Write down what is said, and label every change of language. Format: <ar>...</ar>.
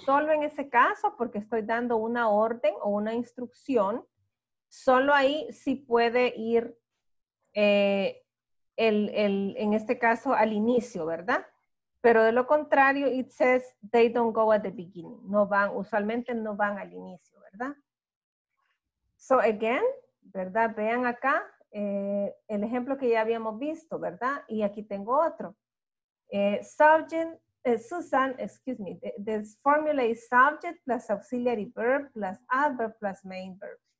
<es>Solo en ese caso, porque estoy dando una orden o una instrucción, solo ahí sí puede ir, en este caso, al inicio, ¿verdad? Pero de lo contrario,</es> <en>it says they don't go at the beginning.</en> <es>No van, usualmente no van al inicio, ¿verdad?</es> <en>So again,</en> <es>¿verdad? Vean acá el ejemplo que ya habíamos visto, ¿verdad? Y aquí tengo otro.</es> <en>This formula is subject plus auxiliary verb plus adverb plus main verb.</en>